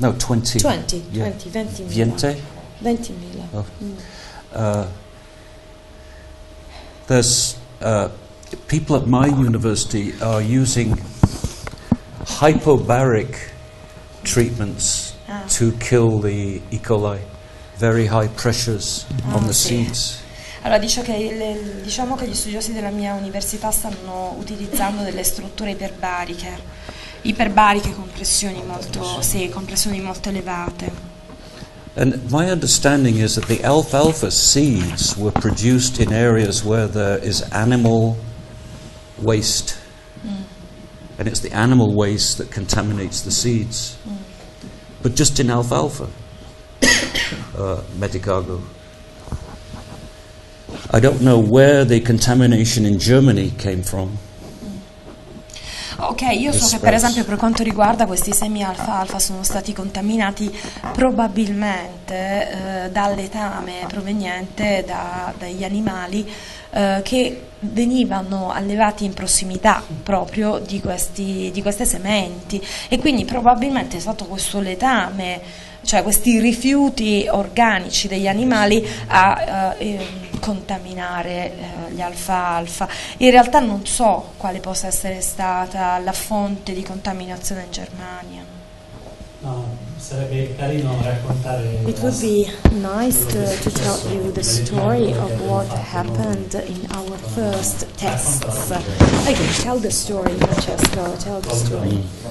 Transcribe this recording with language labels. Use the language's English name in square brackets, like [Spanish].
[English] No, people at my university are using hyperbaric treatments to kill the E. coli, very high pressures on the seeds. [Italian] Allora diciamo che gli studiosi della mia università stanno utilizzando delle strutture iperbariche con pressioni molto elevate. [English] And my understanding is that the alfalfa seeds were produced in areas where there is animal waste, and it's the animal waste that contaminates the seeds. But just in alfalfa, medicago. I don't know where the contamination in Germany came from. [Italian] Ok, io so che per esempio per quanto riguarda questi semi alfalfa sono stati contaminati probabilmente dal letame proveniente dagli animali che venivano allevati in prossimità proprio di queste sementi e quindi probabilmente è stato questo letame, cioè questi rifiuti organici degli animali a contaminare gli alfalfa. In realtà non so quale possa essere stata la fonte di contaminazione in Germania. No, sarebbe carino raccontare. [English] It would be nice to tell you the story of what happened in our first tests. Okay, tell the story, Francesco, tell the story.